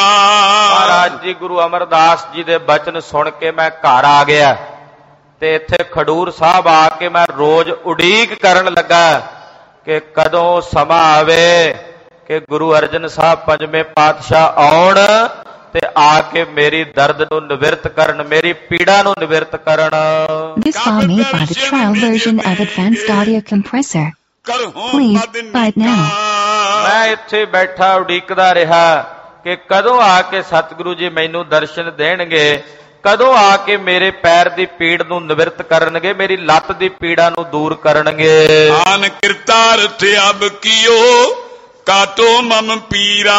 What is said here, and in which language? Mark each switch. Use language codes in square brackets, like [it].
[pa] ਮਹਾਰਾਜ ਜੀ ਗੁਰੂ ਅਮਰਦਾਸ ਜੀ ਦੇ ਬਚਨ ਸੁਣ ਕੇ ਮੈਂ ਘਰ ਆ ਗਿਆ ਤੇ ਇੱਥੇ ਖਡੂਰ ਸਾਹਿਬ ਆ ਕੇ ਮੈਂ ਰੋਜ਼ ਉਡੀਕ ਕਰਨ ਲੱਗਾ ਕਿ ਕਦੋਂ ਸਮਾਂ ਆਵੇ ਕਿ ਗੁਰੂ ਅਰਜਨ ਸਾਹਿਬ ਪੰਜਵੇਂ ਪਾਤਸ਼ਾਹ ਆਉਣ ਤੇ ਆ ਕੇ ਮੇਰੀ ਦਰਦ ਨੂੰ ਨਿਵਿਰਤ ਕਰਨ, ਮੇਰੀ ਪੀੜਾ ਨੂੰ ਨਿਵਿਰਤ ਕਰਨ। [en] This file made by the trial version of Advanced Audio Compressor. Please buy it now. [pa] ਮੈਂ ਇੱਥੇ ਬੈਠਾ ਉਡੀਕਦਾ ਰਿਹਾ ਕਿ ਕਦੋਂ ਆ ਕੇ ਸਤਿਗੁਰੂ ਜੀ ਮੈਨੂੰ ਦਰਸ਼ਨ ਦੇਣਗੇ, ਕਦੋਂ ਆ ਕੇ ਮੇਰੇ ਪੈਰ ਦੀ ਪੀੜ ਨੂੰ ਨਿਵਿਰਤ ਕਰਨਗੇ, ਮੇਰੀ ਲੱਤ ਦੀ ਪੀੜਾ ਨੂੰ ਦੂਰ ਕਰਨਗੇ। ਆਨ ਕਿਰਤਾਰਥ ਅਬ ਕੀਓ ਕਾਤੋ ਮਮ ਪੀਰਾ।